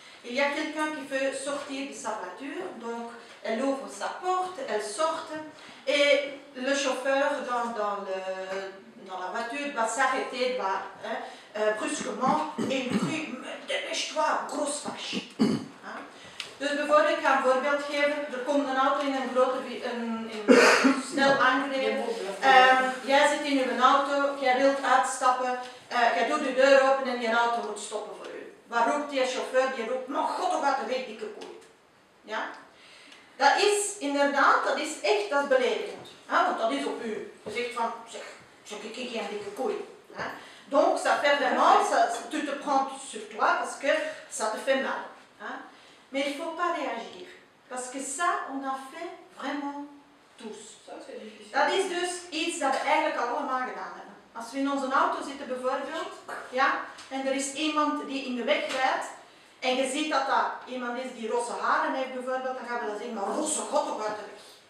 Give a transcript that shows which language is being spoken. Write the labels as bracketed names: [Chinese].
[French] Il y a quelqu'un qui veut sortir de sa voiture. Donc, elle ouvre sa porte, elle sort. Et le chauffeur dans la voiture, va s'arrêter brusquement et il dit « Dépêche-toi, grosse vache hein? !» [Dutch] Donc, voor ik ga een voorbeeld geven, er komt een auto in een grote snel aangereden. Jij zit in je auto, jij wilt uitstappen, jij doet de deur open en je auto moet stoppen voor u. Waar roept die chauffeur? Die roept: maar god, wat een dikke koei. Ja? Dat is inderdaad, dat is echt, dat is beledigend. Hè? Want dat is op u. Je zegt van, zeg, je kijk geen dikke koei. [French] Donc, ça fait vraiment, tu te prends sur toi, parce que ça te fait mal. Mais il ne faut pas réagir. Parce que ça, on a fait vraiment tous. [Dutch] Dat is dus iets dat we eigenlijk allemaal gedaan hebben. Als we in onze auto zitten bijvoorbeeld, ja, en er is iemand die in de weg rijdt, en je ziet dat dat iemand is die rosse haren heeft bijvoorbeeld, dan gaan we dat zeggen, maar rosse god toch uit de weg.